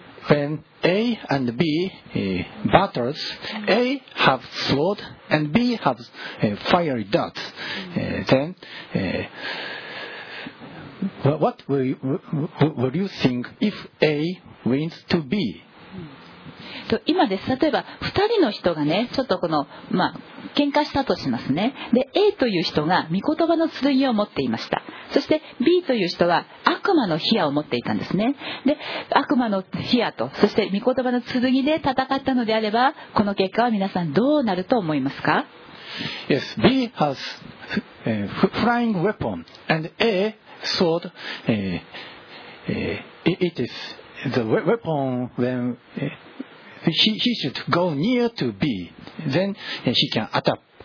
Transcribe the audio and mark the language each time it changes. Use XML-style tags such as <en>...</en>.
<en>When A and B battles, A have sword and B have fiery dart. Then, what will you think if A wins to B?</en> <ja>今です。例えば2人の人がね、ちょっとこのまあ喧嘩したとしますね。で、A という人が御言葉の剣を持っていました。そして B という人は悪魔の火矢を持っていたんですね。で、悪魔の火矢とそして御言葉の剣で戦ったのであれば、この結果は皆さんどうなると思いますか？</ja> <en>Yes, B has flying weapon and A sword. It is the weapon when he should go near to B, then he can attack.</en>